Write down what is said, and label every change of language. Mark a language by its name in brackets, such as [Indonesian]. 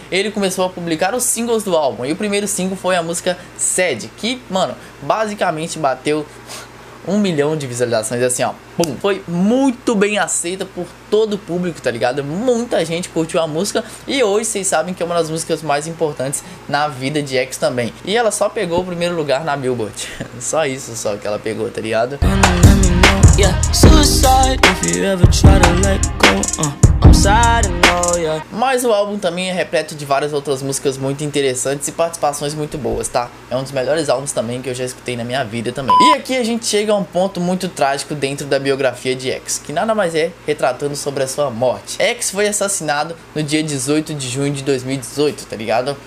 [Portuguese] Ele começou a publicar os singles do álbum. E o primeiro single foi a música Sad, que, mano, basicamente bateu 1 milhão de visualizações, assim, ó. Bum. Foi muito bem aceita por todo o público, tá ligado? Muita gente curtiu a música. E hoje vocês sabem que é uma das músicas mais importantes na vida de X também. E ela só pegou o primeiro lugar na Billboard. Só isso só que ela pegou, tá ligado? [English] yeah. Suicide if you ever try to let go, I'm sad and all, yeah. [Portuguese] Mas o álbum também é repleto de várias outras músicas muito interessantes e participações muito boas, tá? É um dos melhores álbuns também que eu já escutei na minha vida também. E aqui a gente chega a um ponto muito trágico dentro da biografia de X, que nada mais é retratando sobre a sua morte. X foi assassinado no dia 18 de junho de 2018, tá ligado?